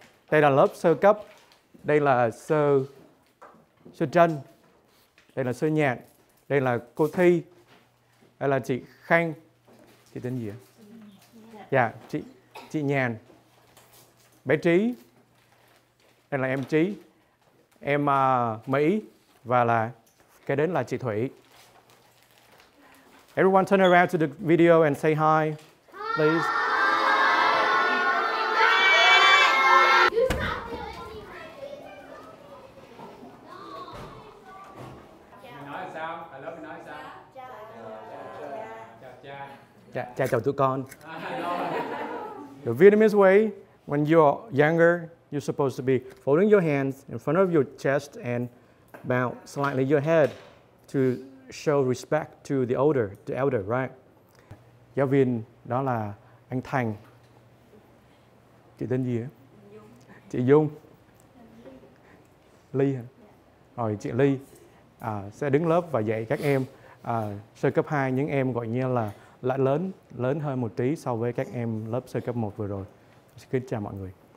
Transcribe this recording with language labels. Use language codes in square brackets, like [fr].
[vi] Đây là lớp sơ cấp, đây là sơ chân, đây là sơ nhạc, đây là cô Thi, đây là chị Khanh, chị tên gì ạ? Dạ, chị Nhàn, bé Trí, đây là em Trí, em Mỹ, và là kế đến là chị Thủy. [en] Everyone turn around to the video and say hi, please. [vi] Cha chào tụi con. [en] The Vietnamese way, when you are younger, you're supposed to be folding your hands in front of your chest and bow slightly your head to show respect to the elder, right? [vi] Giáo viên đó là anh Thành. Chị tên gì? Chị Dung. Ly. Rồi chị Ly sẽ đứng lớp và dạy các em sơ cấp 2, những em gọi như là lại lớn hơn một tí so với các em lớp sơ cấp 1 vừa rồi. Xin kính chào mọi người.